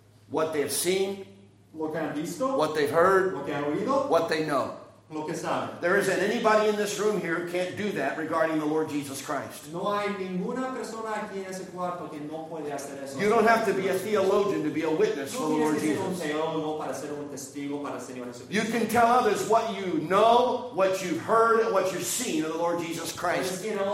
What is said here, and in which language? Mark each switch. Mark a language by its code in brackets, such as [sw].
[en] What they have seen, what they've heard, what they know. [es] lo que sabe. [en] There isn't anybody in this room here who can't do that regarding the Lord Jesus Christ. [es] No hay ninguna persona aquí en ese cuarto que no puede hacer eso. [en] You don't have to be a theologian to be a witness for the Lord Jesus. [es] Un teólogo para ser un testigo para el Señor Jesucristo. [en] You can tell others what you know, what you've heard, and what you've seen of the Lord Jesus Christ.